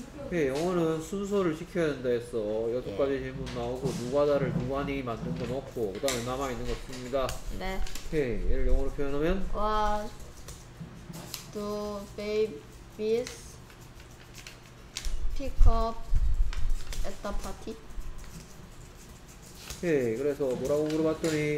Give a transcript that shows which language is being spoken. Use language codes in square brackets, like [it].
[ko] 네, 영어는 순서를 지켜야 된다 했어. 여섯 가지 질문 나오고 누가다를 누가니 만든 거 넣고 그 다음에 남아있는 거 씁니다. 네. 오케이, 얘를 영어로 표현하면 [en] What do babies pick up at the party? [ko] 오케이, 그래서 뭐라고 물어봤더니